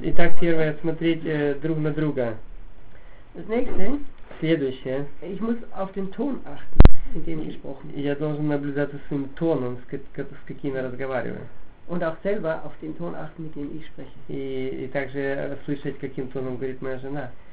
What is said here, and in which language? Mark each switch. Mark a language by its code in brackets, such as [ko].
[ru] Итак, первое, смотреть друг на друга. [de] Das nächste, [ru] следующее. [de] Ich muss auf den Ton achten, in dem gesprochen. [ru] Я должен наблюдать за своим тоном, с каким я разговариваю. [de] Und auch selber auf den Ton achten, mit dem ich spreche. [ru] И также слышать, каким тоном говорит моя жена.